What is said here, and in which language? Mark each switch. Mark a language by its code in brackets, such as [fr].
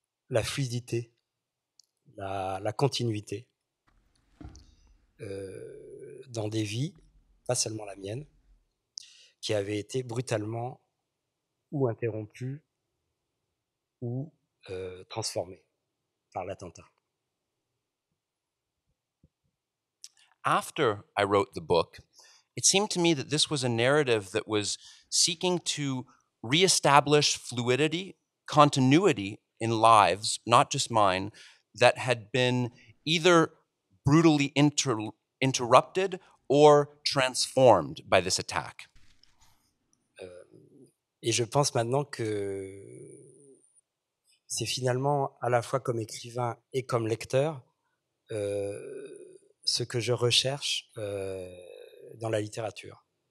[fr] la fluidité, la continuité dans des vies, pas seulement la mienne, qui avaient été brutalement ou interrompues ou transformées par l'attentat. [en] After I wrote the book, it seemed to me that this was a narrative that was seeking to reestablish fluidity, continuity in lives, not just mine, that had been either brutally interrupted or transformed by this attack. [fr] Et je pense maintenant que c'est finalement à la fois comme écrivain et comme lecteur ce que je recherche dans la littérature.